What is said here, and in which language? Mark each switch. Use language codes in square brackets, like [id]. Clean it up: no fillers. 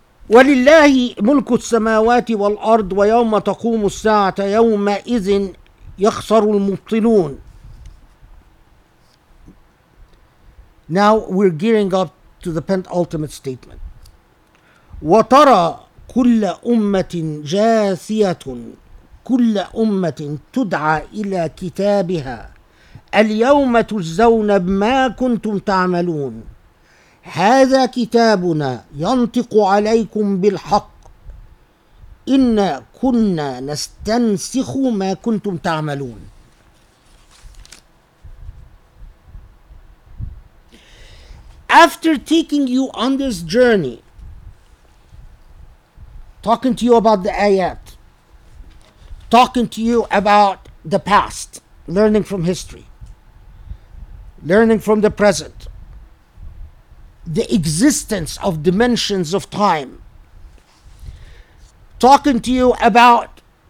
[ar] وللله ملك السماوات والأرض ويوم تقوم الساعة يومئذ يخسر المبطلون. [en] Now we're gearing up to the penultimate statement. [ar] وترى كل أمة جاثية كل أمة تدعى إلى كتابها اليوم تجزون بما كنتم تعملون هذا كتابنا ينطق عليكم بالحق إنا كنا نستنسخ ما كنتم تعملون. [en] After taking you on this journey, talking to you about the ayat, talking to you about the past, learning from history, learning from the present, the existence of dimensions of time, talking to you about